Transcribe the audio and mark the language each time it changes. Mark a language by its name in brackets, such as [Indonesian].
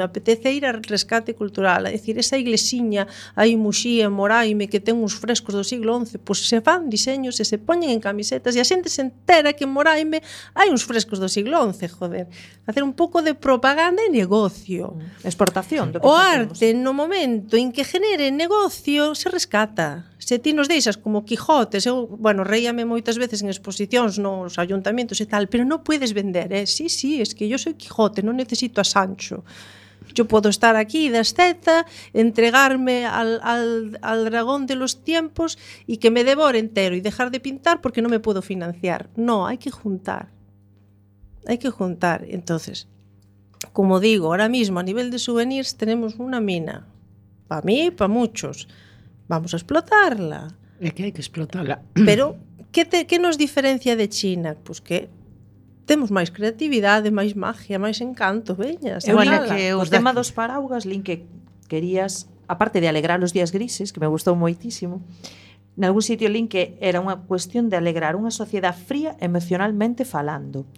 [Galician] Me apetece ir a rescate cultural, a decir, esa iglesiña aí Muxía, Moraime, que ten uns frescos do siglo XI, pois se fan diseños e se poñen en camisetas e a xente se entera que en Moraime hai uns frescos do siglo XI, joder. Hacer un pouco de propaganda e negocio. Exportación. O arte, no momento en que genere negocio, se rescata. Se ti nos deixas como Quijote, eu, bueno, reíame moitas veces en exposicións nos ayuntamientos e tal, pero non podes vender, eh? [Spanish] Sí, sí, es que yo soy Quijote, non necesito a Sancho. Yo podo estar aquí de asceta, entregarme al dragón de los tiempos e que me devore entero e dejar de pintar porque [Galician] non me podo financiar. No, hai que juntar. Hai que juntar. [Spanish] Entonces, como digo, ahora mismo a nivel de souvenirs tenemos una mina. Pa mí, pa muchos. Vamos a explotarla. [Galician] É que hai que explotarla. Pero, que nos diferencia de China? Pois pues que temos máis creatividade, máis magia, máis encanto, veña. É bueno, que o tema dos paraugas, Lin, que querías, aparte de alegrar os días grises, que me gustou moitísimo, nalgún sitio, Lin, que era unha cuestión de alegrar unha sociedade fría emocionalmente falando.